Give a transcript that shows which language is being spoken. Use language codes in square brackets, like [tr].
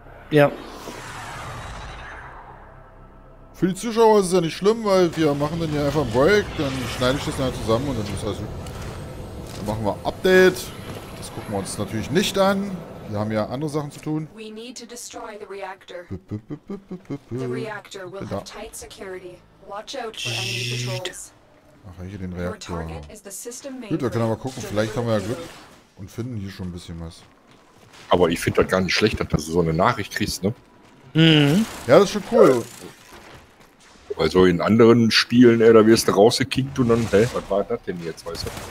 [de] Ja. Für die Zuschauer ist es ja nicht schlimm, weil wir machen dann hier einfach einen Break, dann schneide ich das dann zusammen und dann ist alles gut. Dann machen wir Update. Das gucken wir uns natürlich nicht an. Wir haben ja andere Sachen zu tun. [en] We need to destroy the reactor. Will have tight security. Watch out for enemy patrols. [de] Ach, hier den Reaktor. Gut, wir können aber gucken, vielleicht haben wir ja Glück und finden hier schon ein bisschen was. Aber ich finde das gar nicht schlecht, dass du so eine Nachricht kriegst, ne? Mhm. Ja, das ist schon cool. Weil so in anderen Spielen, ey, da wirst du rausgekickt und dann, hä, was war das denn jetzt, weißt du?